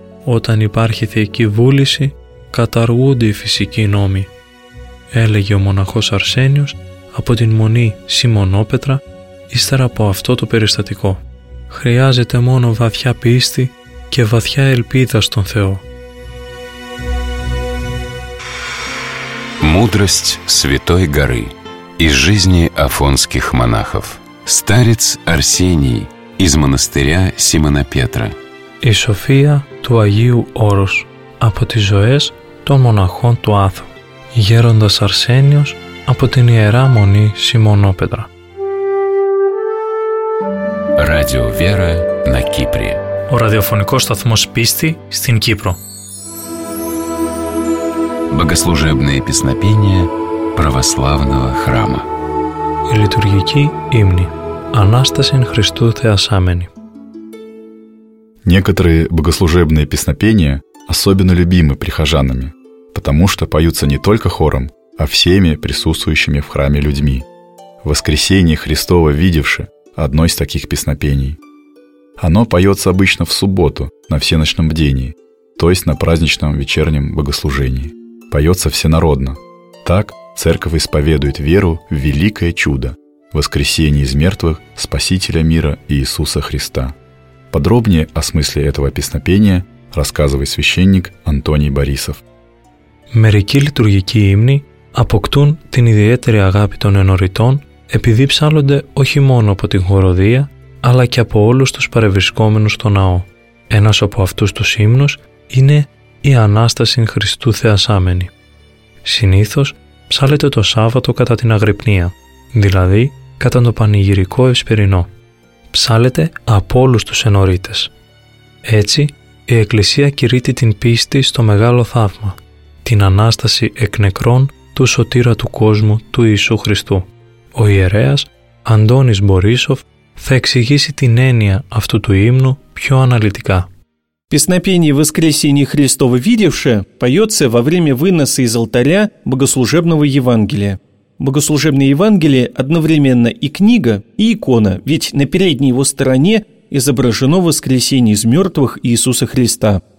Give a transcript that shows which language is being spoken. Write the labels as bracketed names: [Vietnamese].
[Greek] Όταν υπάρχει θεϊκή βούληση, καταργούνται οι φυσικοί νόμοι, έλεγε ο μοναχός Αρσένιος από την μονή Σιμονόπετρα ύστερα από αυτό το περιστατικό. Χρειάζεται μόνο βαθιά πίστη και βαθιά ελπίδα στον Θεό. [Russian] Мудрость Святой Горы из жизни афонских монахов. Старец Арсений из монастыря Симона Петра. [Greek] Η σοφία του Αγίου Όρους από τις ζωές των μοναχών του Άθου. Γέροντας Αρσένιος από την Ιερά Μονή Σιμονόπετρα. [Russian] Radio Vera na Kypri. [Greek] Ο ραδιοφωνικός σταθμός πίστη στην Κύπρο. [Russian] Богослужебные песнопения православного храма. [Greek] Η λειτουργική ύμνη. Ανάστασιν Χριστού Θεασάμενη. [Russian] Некоторые богослужебные песнопения особенно любимы прихожанами, потому что поются не только хором, а всеми присутствующими в храме людьми. «Воскресение Христово видевши» — одно из таких песнопений. Оно поется обычно в субботу на всеночном бдении, то есть на праздничном вечернем богослужении. Поется всенародно. Так церковь исповедует веру в великое чудо — воскресение из мертвых Спасителя мира Иисуса Христа. Подробнее о смысле этого песнопения рассказывает священник Антоний Борисов. [Greek] Μερικοί λειτουργικοί ύμνοι αποκτούν την ιδιαίτερη αγάπη των ενωρητών επειδή ψάλλονται όχι μόνο από την χοροδία αλλά και από όλους τους παρευρισκόμενους στο ναό. Ένας από αυτούς τους ύμνους είναι «Η Ανάσταση Χριστού Θεασάμενη». Συνήθως ψάλλεται το Σάββατο κατά την Αγρυπνία, δηλαδή κατά το πανηγυρικό Ευσπερινό. Ψάλλεται από όλους τους ενωρίτες. Έτσι, η Εκκλησία κηρύττει την πίστη στο μεγάλο θαύμα, την Ανάσταση εκ νεκρών του Σωτήρα του κόσμου, του Ιησού Χριστού. Ο ιερέας Αντώνης Μπορίσοφ θα εξηγήσει την έννοια αυτού του ύμνου πιο αναλυτικά. [Russian] Песнопение «Воскресение Христово видевши» поется во время выноса из алтаря богослужебного Евангелия. Богослужебное Евангелие одновременно и книга, и икона, ведь на передней его стороне изображено воскресение из мертвых Иисуса Христа.